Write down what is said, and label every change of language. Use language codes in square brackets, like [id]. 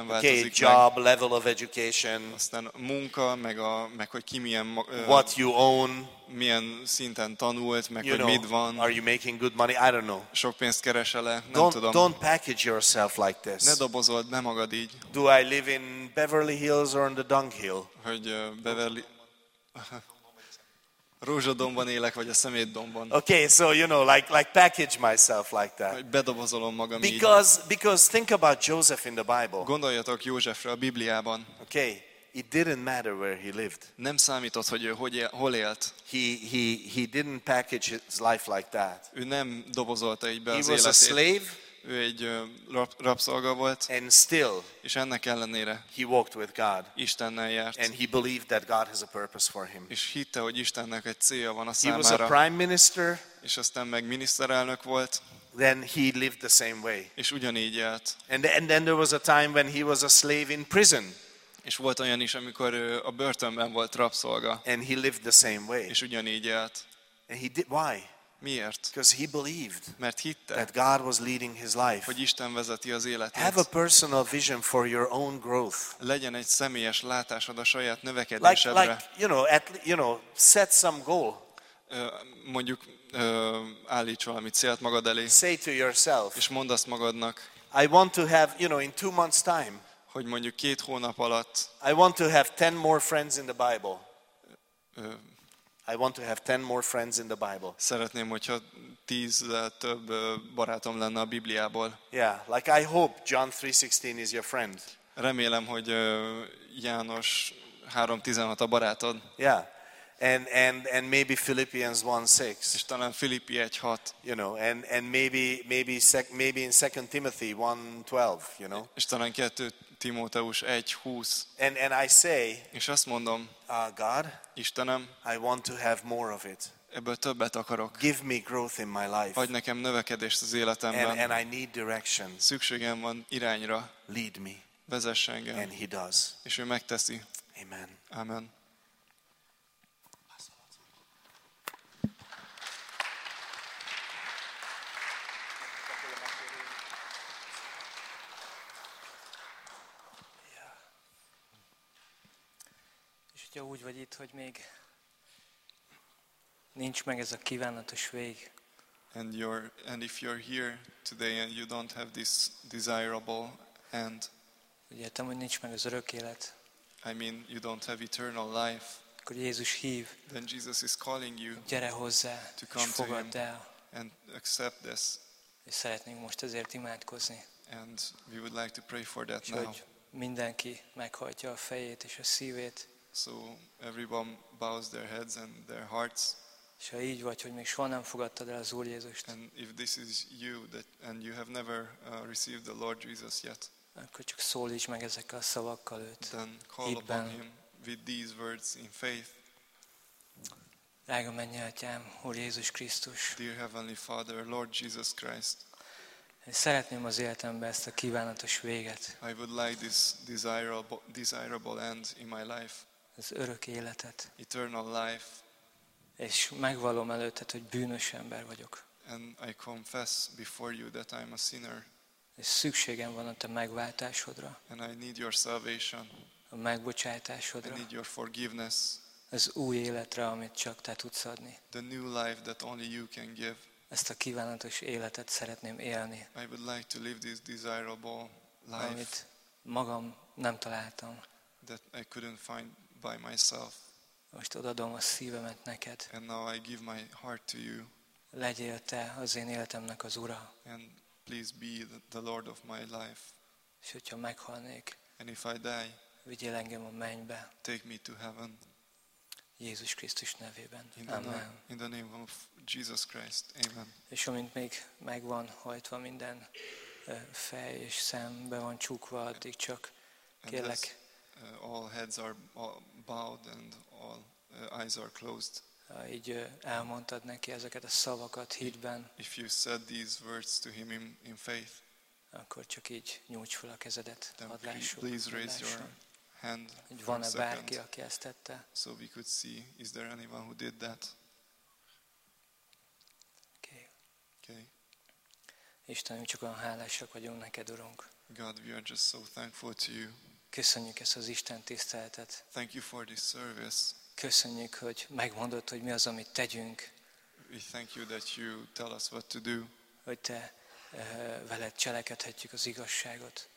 [en] okay, [hu] változik. [en] Okay, job, meg. Level of education. [hu] Aztán munka, meg a, meg hogy ki milyen. [en] What you own. [hu] Milyen szinten tanult, meg [en] you [hu] hogy [en] know, [hu] mit van. [en] Are you making good money? I don't know. [hu] Sok pénzt keresel-e? Nem [en] don't, [hu] tudom. [en] Don't package yourself like this. [hu] Ne dobozold, ne magad így. [en] Do I live in Beverly Hills or in the Dunghill? [hu] Hogy Beverly... Rózsadombon élek, vagy a szemétdombon. [en] Okay, so you know, like package myself like that. [hu] Bedobozolom magam [en] because, [hu] így. [en] Because think about Joseph in the Bible. [hu] Gondoljatok Józsefre a Bibliában. [en] Okay. It didn't matter where he lived. [hu] Nem számított, hogy ő hogy él, hol élt. [en] He didn't package his life like that. [hu] Ő nem dobozolta így be az életét. [en] He was a slave. [hu] Ő egy rabszolga volt. [en] And still. [hu] És ennek ellenére. [en] He walked with God. [hu] Istennel járt. [en] And he believed that God has a purpose for him. [hu] És hitte, hogy Istennek egy célja van a [en] he [hu] számára. [en] He was a prime minister. [hu] És aztán meg miniszterelnök volt. [en] Then he lived the same way. [hu] És ugyanígy élt. [en] And then there was a time when he was a slave in prison. [hu] És volt olyan is, amikor a börtönben volt rabszolga. [en] And he lived the same way. [hu] És ugyanígy élt. [en] And he did, why? [hu] Miért? [en] Because he believed. [hu] Mert hitte. [en] That God was leading his life. [hu] Hogy Isten vezeti az életét. [en] Have a personal vision for your own growth. [hu] Legyen egy személyes látásod a saját növekedésedre. [en] Like you know, at you know, set some goal. [hu] Mondjuk állíts valami célt magad elé. [en] Say to yourself. [hu] És mondd azt magadnak. [en] I want to have, you know, in 2 months time. [hu] Hogy mondjuk 2 hónap alatt. [en] I want to have 10 more friends in the Bible. I want to have 10 more friends in the Bible. [hu] Szeretném, hogyha 10 több barátom lenne a Bibliából. [en] Yeah, like I hope John 3:16 is your friend. [hu] Remélem, hogy János 3:16 a barátod. [en] Yeah, and maybe Philippians 1:6. [hu] És talán Filippi 1:6. [en] You know, and maybe maybe in 2 Timothy 1:12. You know. [hu] És talán 2 Timóteus 1:20. [en] And I say, [hu] és azt mondom, [en] God, [hu] Istenem, [en] I want to have more of it. [hu] Ebből többet akarok. [en] Give me growth in my life. [hu] Adj nekem növekedést az életemben. [en] And I need direction. [hu] Szükségem van irányra. [en] Lead me. [hu] Vezess engem. [en] And he does. [hu] És ő megteszi. [en] Amen. [hu] Amen. Ha úgy vagy itt, hogy még nincs meg ez a kívánatos vég. [en] And if you're here today and you don't have this desirable end. [hu] Értem, hogy nincs meg az örök élet. [en] I mean, you don't have eternal life. [hu] Akkor Jézus hív. [en] Then Jesus is calling you. [hu] Gyere hozzá, [en] to come [hu] és fogadd [en] to him [hu] el. [en] And accept this. [hu] És szeretnénk most ezért imádkozni. [en] And we would like to pray for that [hu] és [en] now. [hu] Hogy mindenki meghajtja a fejét és a szívét. [en] So everyone bows their heads and their hearts. [hu] És ha így vagy, hogy még soha nem fogadtad el az Úr Jézust. [en] And if this is you that and you have never received the Lord Jesus yet. [hu] Akkor csak szólíts meg ezekkel a szavakkal őt. [en] Then call upon him with these words in faith. [hu] Drága mennyi atyám, Úr Jézus Krisztus. [en] Dear Heavenly Father, Lord Jesus Christ. [hu] Én szeretném az életembe ezt a kívánatos véget. [en] I would like this desirable end in my life. [hu] Az örök életet. [en] Eternal life. [hu] És megvallom előtted, hogy bűnös ember vagyok. [en] And I confess before you that I am a sinner. [hu] És szükségem van a te megváltásodra. [en] And I need your salvation. [hu] A megbocsátásodra. [en] I need your forgiveness. [hu] Az új életre, amit csak te tudsz adni. [en] The new life that only you can give. [hu] Ezt a kívánatos életet szeretném élni. [en] I would like to live this desirable life. [hu] Amit magam nem találtam. [en] That I couldn't find by myself. [hu] Most odaadom a szívemet neked. [en] And now I give my heart to you. [hu] Legyél te az én életemnek az ura. [en] And please be the Lord of my life. [hu] És hogyha meghalnék. [en] And if I die. [hu] Vigyél engem a mennybe. [en] Take me to heaven. [hu] Jézus Krisztus nevében. [en] Amen. In the name of Jesus Christ. Amen. [hu] És amint még megvan hajtva minden fej és szem, be van csukva, addig csak kérlek. [en] All heads are bowed and all eyes are closed. [hu] Így elmondtad neki ezeket a szavakat hitben. [en] If you said these words to him in faith. [hu] Akkor csak így nyújts fel a kezedet. [en] Please raise your hand. [hu] Hogy van-e bárki, aki ezt tette? [en] So we could see, is there anyone who did that? Okay. Okay. [hu] Istenünk, csak olyan hálásak vagyunk neked, Urunk. [en] God, we are just so thankful to you. [hu] Köszönjük ezt az Isten tiszteletet. [en] Thank you for this service. [hu] Köszönjük, hogy megmondod, hogy mi az, amit tegyünk. [en] We thank you that you tell us what to do. [hu] Hogy te veled cselekedhetjük az igazságot.